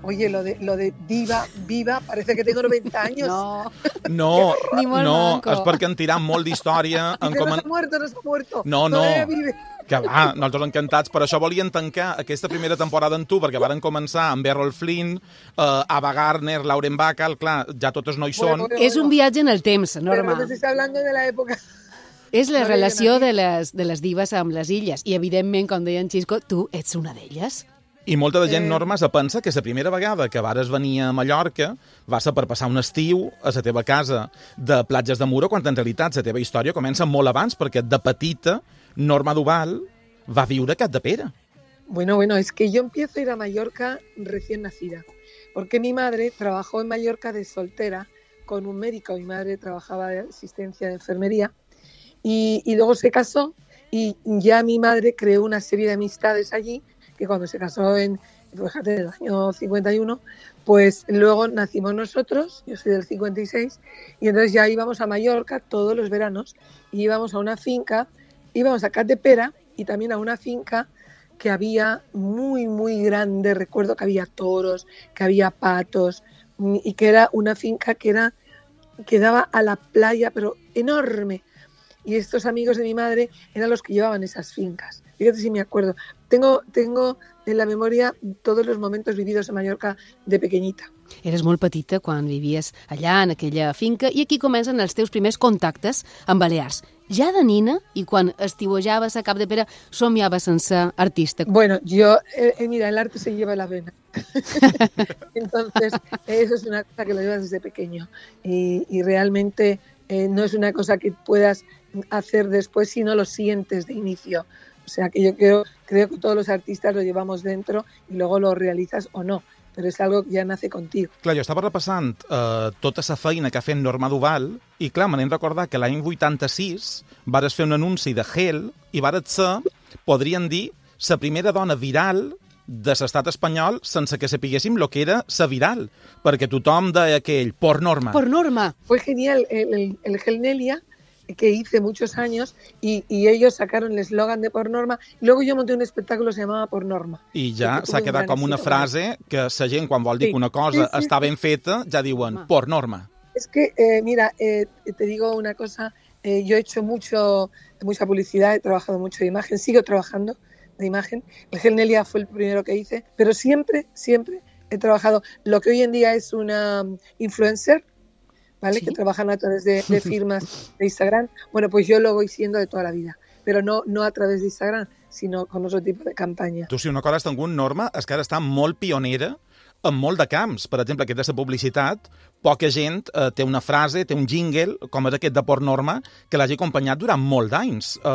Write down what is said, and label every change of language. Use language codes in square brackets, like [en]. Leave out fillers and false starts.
[es] Oye, lo de diva viva, parece que tengo 90 años. No, [ca] no, ni molt no, manco. És perquè han tirat molt d'història. [es] No s'ha muerto. No. [ca] Que va, nosaltres encantats, però això volien tancar aquesta primera temporada amb tu, perquè varen començar amb Errol Flynn, Ava Gardner, Lauren Bacall, clar, ja totes no hi són. És un viatge en el temps, Norma. Però no sé si està [es] hablando [ca] de la època. És la relació de les divas amb les illes, i evidentment, com deia en Xisco, tu ets una d'elles. I molta de gent, Norma, se pensa que la primera vegada que vares venir a Mallorca va ser per passar un estiu a la teva casa de Platges de Muro, quan en realitat la teva història comença molt abans, perquè de petita Norma Duval va viure a Capdepera. [es] Bueno, es que yo empiezo a ir a Mallorca recién nacida, porque mi madre trabajó en Mallorca de soltera con un médico, mi madre trabajaba de asistencia de enfermería, y luego se casó y ya mi madre creó una serie de amistades allí, que cuando se casó en, fíjate, el año 51, pues luego nacimos nosotros, yo soy del 56, y entonces ya íbamos a Mallorca todos los veranos, y íbamos a una finca, íbamos a Capdepera y también a una finca que había muy, muy grande, recuerdo que había toros, que había patos, y que era una finca que daba a la playa, pero enorme, y estos amigos de mi madre eran los que llevaban esas fincas. Fíjate si me acuerdo. Tengo en la memoria todos los momentos vividos en Mallorca de pequeñita. [ca] Eres molt petita quan vivies allà, en aquella finca, i aquí comencen els teus primers contactes amb Balears. Ja de nina, i quan estiuejaves a Capdepera, somiaves en ser artista. [es] Bueno, yo, mira, el arte se lleva la vena. Entonces, eso es una cosa que lo llevas desde pequeño. Y realmente no es una cosa que puedas hacer después si no lo sientes de inicio. O sea, que yo creo que todos los artistas lo llevamos dentro y luego lo realizas o no. però és algo que ja nace contigo. [ca] Clar, jo estava repassant tota sa feina que ha fet Norma Duval i, clar, me n'hem recordat que l'any 86 vares fer un anunci de gel i vares ser, podríem dir, sa primera dona viral de l'estat espanyol sense que sapiguéssim lo que era sa viral, perquè tothom deia aquell, por Norma. [es] Por Norma. Fue genial el gel Nelia que hice muchos años y ellos sacaron el eslogan de Por Norma y luego yo monté un espectáculo que se llamaba Por Norma. [ca] I ja s'ha quedat com una frase que la gent, quan vol dir que una cosa està ben feta, ja diuen Por Norma. [es] Es que, mira, te digo una cosa, yo he hecho mucha publicidad, he trabajado mucho de imagen, sigo trabajando de imagen, el gel Nelia fue el primero que hice, pero siempre he trabajado lo que hoy en día es una influencer, ¿vale? ¿Sí? Que trabajan a través de firmas de Instagram. Bueno, pues yo lo voy siendo de toda la vida, pero no a través de Instagram, sino con otro tipo de campaña. [ca] Tu, si una cosa has tingut, Norma, és que ara està molt pionera en molt de camps. Per exemple, aquest de la publicitat, poca gent té una frase, té un jingle, com és aquest de Port Norma, que l'hagi acompanyat durant molt d'anys.